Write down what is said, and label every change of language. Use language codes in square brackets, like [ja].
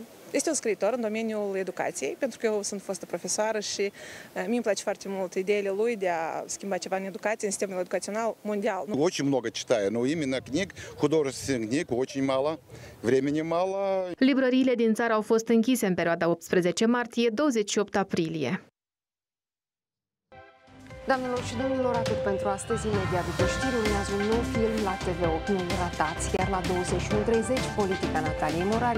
[ro] Este un scriitor în domeniul educației, pentru că eu sunt fostă profesoară și mie îmi place foarte mult ideile lui de a schimba ceva în educație, în sistemul educațional mondial. [ru] Очень много читаю, но именно книг, художественных книг очень мало, времени мало. [ro] Librăriile din țară au fost închise în perioada 18 martie-28 aprilie. Doamnelor și domnilor, atât pentru astăzi. Imediat după știri urmează un nou film la TV 8. Nu-l ratați, chiar la 21:30, Politica Nataliei Morari.